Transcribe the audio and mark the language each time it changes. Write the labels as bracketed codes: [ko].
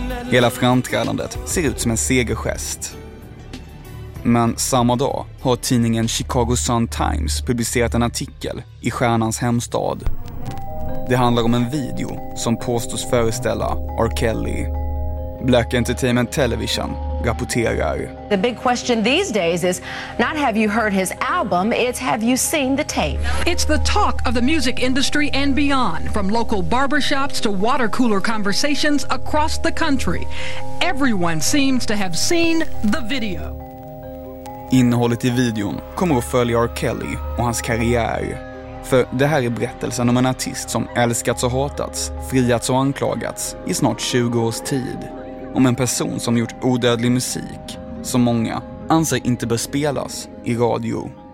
[sv] Hela framträdandet ser ut som en segergest. Men samma dag har tidningen Chicago Sun-Times publicerat en artikel i stjärnans hemstad. Det handlar om en video som påstås föreställa R. Kelly. Black Entertainment Television rapporterar. [en] The big question these days is not have you heard his album, it's have you seen the tape. It's the talk of the music industry and beyond, from local barbershops to water cooler conversations across the country. Everyone seems to have seen the video. [sv] Innehållet i videon kommer att följa R. Kelly och hans karriär. För det här är berättelsen om en artist som älskats och hatats, friats och anklagats i snart 20 års tid. Om en person som gjort odödlig musik som många anser inte bör spelas i radio.